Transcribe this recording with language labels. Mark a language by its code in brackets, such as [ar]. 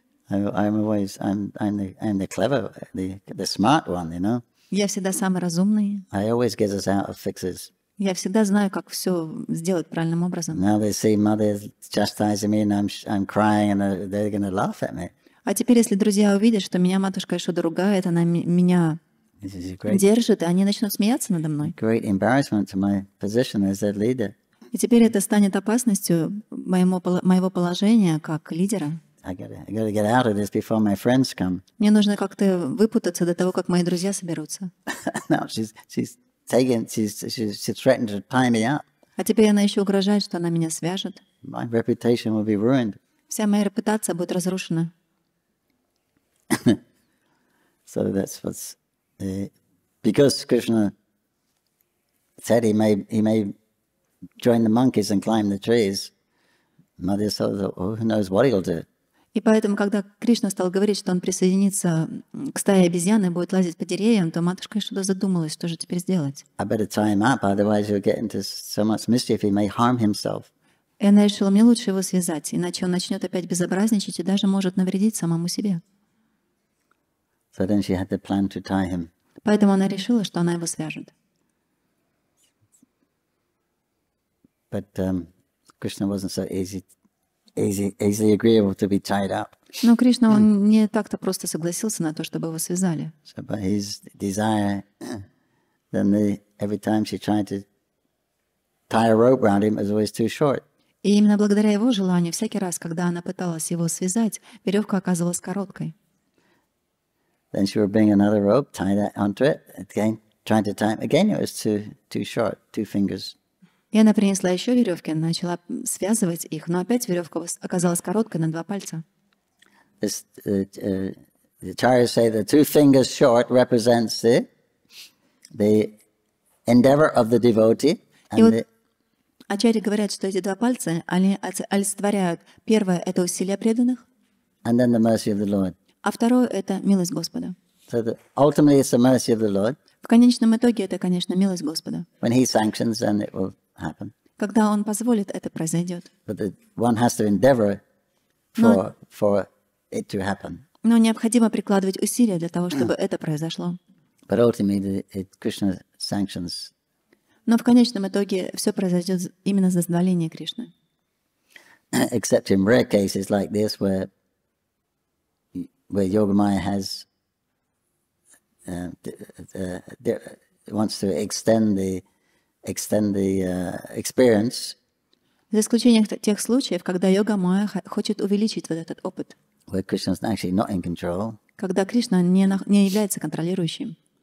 [en] I'm the clever, the smart one, you know. [ru] Я всегда самый разумный. [en] I always get us out of fixes. [ru] Я всегда знаю, как все сделать правильным образом. [en] Now they see mother chastising me, and I'm crying, and they're gonna laugh at me. [ru] А теперь, если друзья увидят, что меня матушка еще ругает, она меня держит, и они начнут смеяться надо мной. [en] Great embarrassment to my position as their leader. [ru] И теперь это станет опасностью моего положения как лидера. [en] I gotta get out of this before my friends come. [ru] Мне нужно как-то выпутаться до того, как мои друзья соберутся. [en] Now she's threatened to tie me up. [ru] А теперь она еще угрожает, что она меня свяжет. [en] My reputation will be ruined. [ru] Вся моя репутация будет разрушена. [en] So that's what's because Krishna said he may join the monkeys and climb the trees. Mother said, who knows what he'll do? [ru] И поэтому, когда Кришна стал говорить, что он присоединится к стае обезьян и будет лазить по деревьям, то матушка что-то задумалась, что же теперь сделать. [en] I better tie him up, otherwise he'll get into so much mischief, he may harm himself. [ru] И она решила, мне лучше его связать, иначе он начнет опять безобразничать и даже может навредить самому себе. [en] So then she had the plan to tie him. [ru] Поэтому она решила, что она его свяжет. [en] But Krishna wasn't so easily agreeable to be tied up. [ru] Но Кришна, он не так-то просто согласился на то, чтобы его связали. [en] So by his desire, then every time she tried to tie a rope around him, it was always too short. [ru] И именно благодаря его желанию, всякий раз, когда она пыталась его связать, веревка оказывалась короткой. [en] Then she would bring another rope, tie that onto it, again, trying to tie it. Again, it was too short, two fingers. [ru] И она принесла еще веревки, начала связывать их, но опять веревка оказалась короткой на два пальца. [en] The acharyas say the two fingers short represents the endeavor of the devotee. [ru] И вот ачарьи говорят, что эти два пальца, они олицетворяют первое – это усилия преданных. [en] And then the mercy of the Lord. [ru] А второе – это милость Господа. [en] So ultimately it's the mercy of the Lord. [ru] В конечном итоге это, конечно, милость Господа. [en] When he sanctions, then it will happen. [ru] Когда он позволит, это произойдет. [en] But one has to endeavor for it to happen. [ru] Но необходимо прикладывать усилия для того, чтобы это произошло. [en] But ultimately, Krishna sanctions. [ru] Но в конечном итоге все произойдет именно за дозволение Кришны. [en] Except in rare cases like this, where Yoga Maya has wants to extend the experience. [ru] За исключением тех случаев, когда Йога Майя хочет увеличить вот этот опыт. [en] Where Krishna's actually not in control. [ru] Когда Кришна не является контролирующим.